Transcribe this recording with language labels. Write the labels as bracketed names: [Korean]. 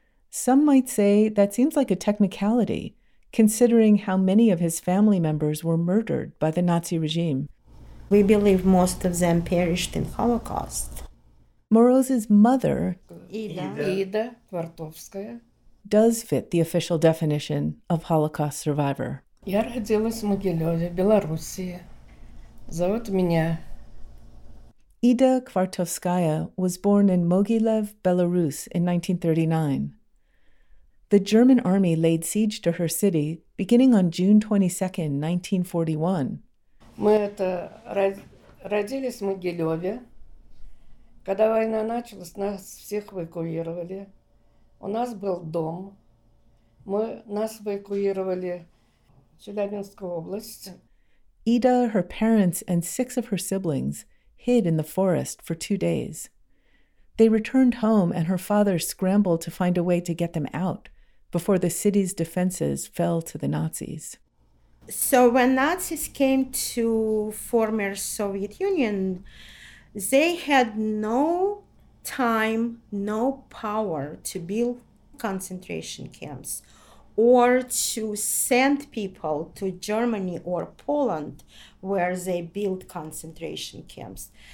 [English] Some might say that seems like a technicality, considering how many of his family members were murdered by the Nazi regime. We believe most of them perished in Holocaust. Moroz's mother, Ida Vartovskaya, does fit the official definition of Holocaust survivor. [Russian] Я родилась в Могилеве, Белоруссия. Зовут меня. [English] Ида Квартовская was born in Mogilev, Belarus in 1939. The German army laid siege to her city beginning on June 22, 1941. [Russian] Мы родились в Могилеве. Когда война началась, нас всех эвакуировали. У нас был дом. Нас эвакуировали в Челябинскую область. [English] Ида, her parents, and six of her siblings hid in the forest for 2 days. They returned home, and her father scrambled to find a way to get them out before the city's defenses fell to the Nazis. So when Nazis came to former Soviet Union, they had no time, no power to build concentration camps or to send people to Germany or Poland where they built concentration camps.